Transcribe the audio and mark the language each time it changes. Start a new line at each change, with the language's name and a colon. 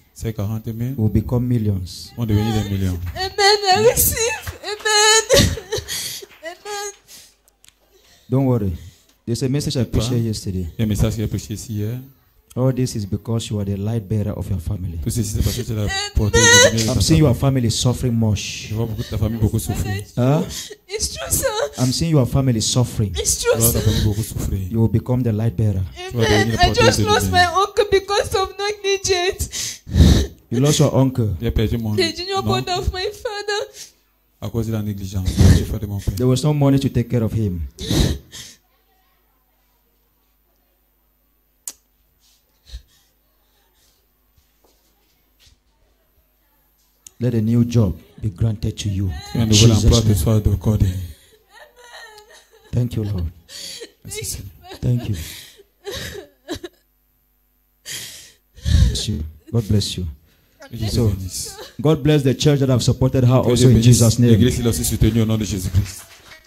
French: C'est 40 000.
English: Will become millions.
French: On devient des millions.
English: Amen. I receive. Amen. Amen. Don't worry. There's a message I preached here yesterday.
French: Le message que j'ai prêché hier.
English: All this is because you are the light bearer of your family.
French: Tout ceci c'est parce que tu es la porteuse.
English: I'm seeing your family suffering much.
French: Je vois beaucoup de ta famille beaucoup souffrir. Ah?
English: It's true, sir. I'm seeing your family suffering. It's true, sir.
French: Je vois ta famille beaucoup souffrir.
English: You will become the light bearer. Amen. I just lost my uncle because of negligence. You lost your uncle.
French: J'ai perdu mon oncle.
English: The junior brother of my father.
French: À cause de la négligence. J'ai perdu mon père.
English: There was no money to take care of him. Let a new job be granted to you.
French: Un nouvel emploi te soit accordé.
English: Thank you, Lord. Thank you. Thank you. God bless you. Jesus. God bless the church that have supported her also in Jesus' name.
French: L'église l'a aussi soutenue au nom de Jésus-Christ.